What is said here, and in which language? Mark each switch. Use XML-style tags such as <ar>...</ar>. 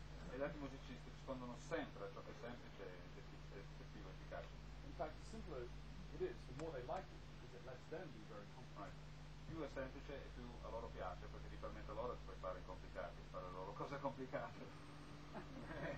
<it>E gli altri musicisti rispondono sempre a ciò che è semplice e effettivo e efficace.</it> <en>In fact, the simpler it is, the more they like it, because it lets them be very complicated. Right.</en> <it>Più è semplice e più a loro piace, perché gli permette loro di fare i complicati, fare le loro cose complicate.</it>